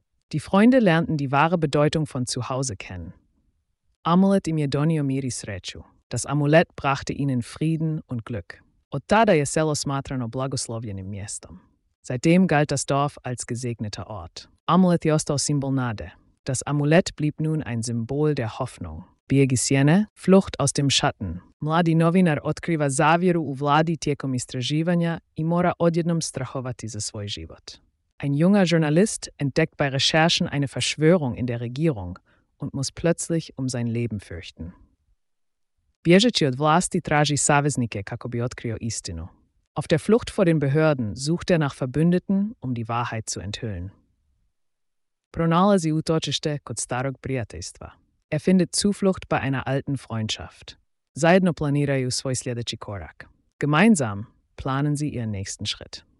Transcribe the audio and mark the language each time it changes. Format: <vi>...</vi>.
<de>Die Freunde lernten die wahre Bedeutung von Zuhause kennen.</de> <hr>Amulet im je donio mir i sreću.</hr> <de>Das Amulett brachte ihnen Frieden und Glück.</de> <hr>Od tada je selo smatrano blagoslovljenim mjestom.</hr> <de>Seitdem galt das Dorf als gesegneter Ort.</de> <hr>Amulet je ostao simbol nade.</hr> <de>Das Amulett blieb nun ein Symbol der Hoffnung.</de> <hr>Bijeg iz sjene,</hr> <de>flucht aus dem Schatten.</de> <hr>Mladi novinar otkriva zavjeru u vladi tijekom istraživanja i mora odjednom strahovati za svoj život.</hr> <de>Ein junger Journalist entdeckt bei Recherchen eine Verschwörung in der Regierung und muss plötzlich um sein Leben fürchten.</de> <hr>Bježeći od vlasti, traži saveznike kako bi otkrio istinu.</hr> <de>Auf der Flucht vor den Behörden sucht nach Verbündeten, die Wahrheit zu enthüllen.</de> <hr>Pronalazi utočište kod starog prijateljstva.</hr> <de>Findet Zuflucht bei einer alten Freundschaft.</de> <hr>Zajedno planiraju svoj sljedeći korak.</hr> <de>Gemeinsam planen sie ihren nächsten Schritt.</de>